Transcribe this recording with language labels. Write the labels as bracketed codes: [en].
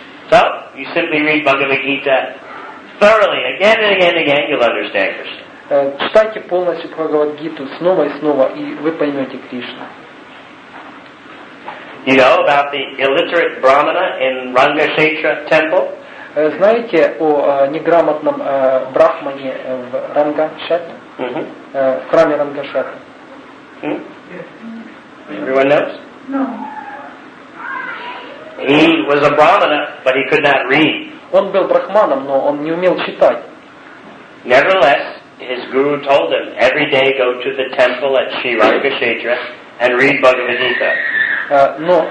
[en] So, you simply read Bhagavad Gita thoroughly, again and again and again, you'll understand Krishna. [ru] Читайте полностью Бхагавад Гиту снова и снова, и вы поймете Кришну. [en] You know about the illiterate Brahmana in Rangashetra temple? [ru] Знаете о неграмотном брахмане в Рангашетре? В храме Рангашетры? [en] Everyone knows? No. He was a brahmana, but he could not read. [ru] Он был брахманом, но он не умел читать. [en] Nevertheless, his guru told him, every day go to the temple at Sri Rangashetra and read Bhagavad Gita.